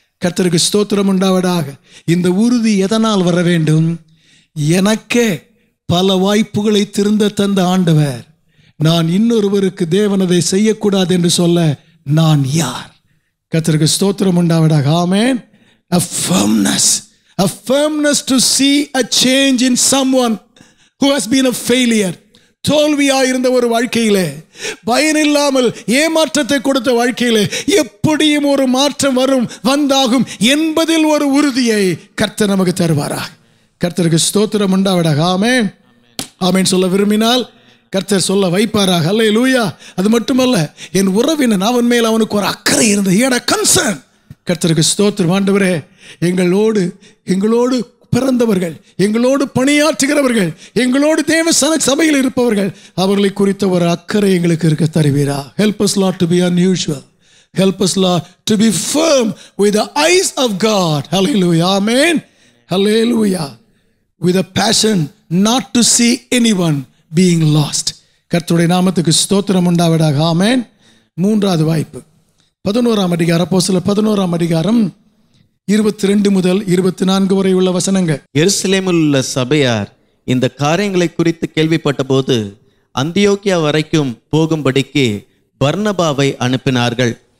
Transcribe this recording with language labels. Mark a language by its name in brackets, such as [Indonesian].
[Tamil] கர்த்தருக்கு ஸ்தோத்திரம் உண்டாவிடாக. இந்த உறுதி எதனால் வர வேண்டும்? எனக்கே பல வாய்ப்புகளை திருந்த தந்த ஆண்டவர், நான் இன்னொருவருக்கு தேவனதை செய்யக்கூடாது என்று சொல்ல நான் யார்? கர்த்தருக்கு ஸ்தோத்திரம் உண்டாவிடாக. ஆமேன். [English] A firmness. A firmness to see a change in someone who has been a failure. [Tamil] தோல்வியாயிருந்த ஒரு வாழ்க்கையிலே, பயனில்லாமல் ஏமாற்றத்தை கொடுத்த வாழ்க்கையிலே எப்படியும் ஒரு மாற்றம் வரும், வந்தாகும் என்பதில் ஒரு உறுதியை கர்த்தர் நமக்கு தருவாரா? கர்த்தருக்கு ஸ்தோத்திரம் உண்டாவிடாக. ஆமென். ஆமென் சொல்ல விரும்பினால் கர்த்தர் சொல்ல வைப்பாராக. அல்லேலூயா. அது மட்டுமல்ல, என் உறவினன் அவன் மேல் அவனுக்கு ஒரு அக்கறை இருந்து கன்சர்ன். கர்த்தருக்கு ஸ்தோத்திரம். ஆண்டவரே, எங்களோடு பிறந்தவர்கள், எங்களோடு பணியாற்றுகிறவர்கள், எங்களோடு தேவ சபையில் இருப்பவர்கள், அவர்களை குறித்த ஒரு அக்கறை எங்களுக்கு இருக்க தருவீரா? [English] Help us lord to be unusual. Help us lord to be firm with the eyes of God. Hallelujah. Amen. Hallelujah. With a passion not to see anyone being lost. [Tamil] கர்த்தருடைய நாமத்துக்கு ஸ்தோத்திரம் உண்டாவதாக. ஆமென். மூன்றாவது வாய்ப்பு 11 அதிகாரம் 22 முதல் 24 வரை உள்ள வசனங்கள். எருசலேமில் உள்ள சபையார் இந்த காரியங்களை குறித்து கேள்விப்பட்ட போது அந்தியோக்கியா வரைக்கும் போகும்படிக்கு பர்னபாவை அனுப்பினார்கள்.